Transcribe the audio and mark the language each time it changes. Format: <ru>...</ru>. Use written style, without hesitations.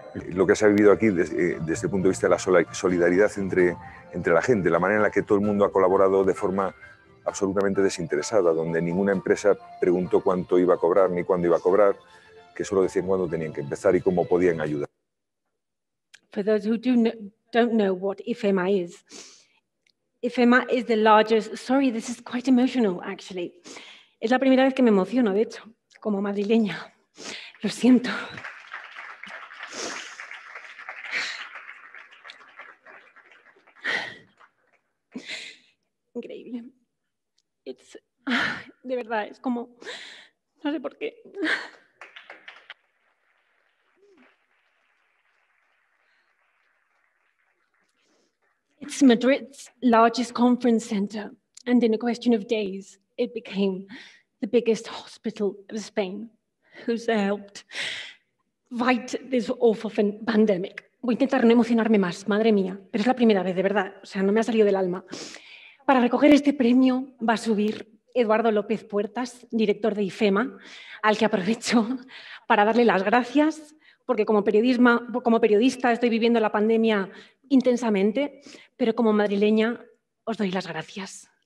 <es>Lo que se ha vivido aquí desde el punto de vista de la solidaridad entre la gente, la manera en la que todo el mundo ha colaborado de forma absolutamente desinteresada, donde ninguna empresa preguntó cuánto iba a cobrar ni cuándo iba a cobrar, que solo decían cuándo tenían que empezar y cómo podían ayudar.</es> <en>For those who don't know what IFEMA is. IFEMA is the largest. Sorry, this is quite emotional, actually.</en> <es>Es la primera vez que me emociono, de hecho, como madrileña. Lo siento. Increíble. It's de verdad, es como no sé por qué.</es> <en>It's Madrid's largest conference center, and in a question of days, it became the biggest hospital of Spain. Who's helped fight this awful pandemic?</en> <es>Voy a intentar no emocionarme más, madre mía, pero es la primera vez, de verdad, o sea, no me ha salido del alma. Para recoger este premio va a subir Eduardo López Puertas, director de IFEMA, al que aprovecho para darle las gracias, porque como periodista estoy viviendo la pandemia intensamente, pero como madrileña os doy las gracias.</es>